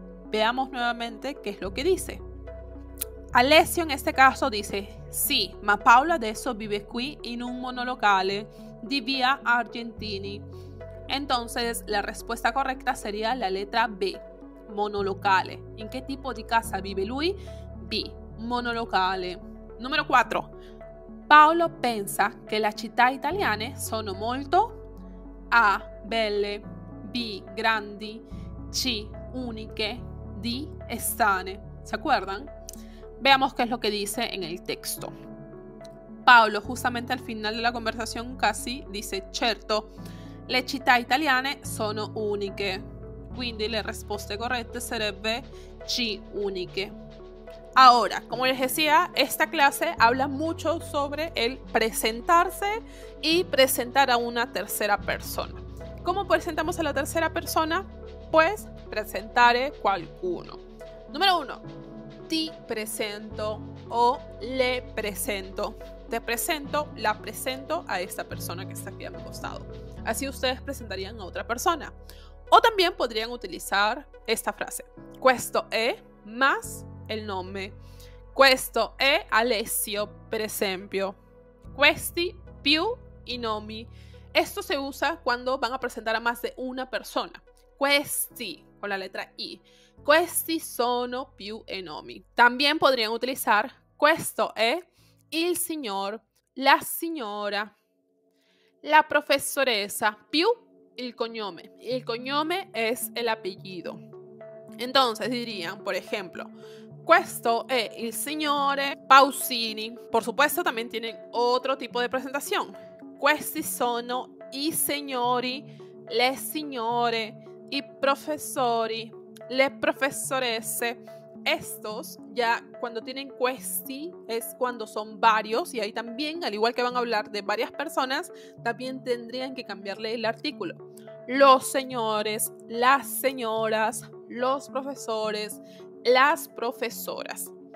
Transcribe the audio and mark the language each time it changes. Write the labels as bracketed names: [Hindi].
[Spanish] Veamos nuevamente qué es lo que dice. Alessio en este caso dice: Sí, [Italian] ma Paolo adesso vive qui in un monolocale di via Argentini. [Spanish] Entonces, la respuesta correcta sería la letra B, monolocale. ¿En qué tipo de casa vive lui? B, monolocale. Número 4. [Italian] Paolo pensa che le città italiane sono molto A, belle. B, grandi. C, uniche. D, strane. [Spanish] ¿Se acuerdan? Veamos qué es lo que dice en el texto. Paolo, justamente al final de la conversación, casi dice: [Italian] Certo, le città italiane sono uniche. Quindi la [Spanish] respuesta correcta [Italian] sarebbe C, uniche. [Spanish] Ahora, como les decía, esta clase habla mucho sobre el presentarse y presentar a una tercera persona. ¿Cómo presentamos a la tercera persona? Pues, [Italian] presentare qualcuno. [Spanish] Número 1. [Italian] ti presento o le presento. [Spanish] Te presento, la presento a esta persona que está aquí a mi costado. Así ustedes presentarían a otra persona. O también podrían utilizar esta frase. [Italian] Questo è [Spanish] más el nombre. [Italian] Questo è Alessio, per esempio. Questi più i nomi. [Spanish] Esto se usa cuando van a presentar a más de una persona. [Italian] Questi, [Spanish] con la letra [Italian] I. Questi sono più i nomi. [Spanish] También podrían utilizar [Italian] questo è il signor, la signora, la professoressa, più il cognome. [Spanish] Il cognome es el apellido. Entonces dirían, por ejemplo, [Italian] questo è il signore Pausini. [Spanish] Por supuesto, también tienen otro tipo de presentación. [Italian] Questi sono i signori, le signore, i professori, le professoresse. [Spanish] Estos, ya cuando tienen questi, es cuando son varios. Y ahí también, al igual que van a hablar de varias personas, también tendrían que cambiarle el artículo. Los señores, las señoras, los profesores, las profesoras.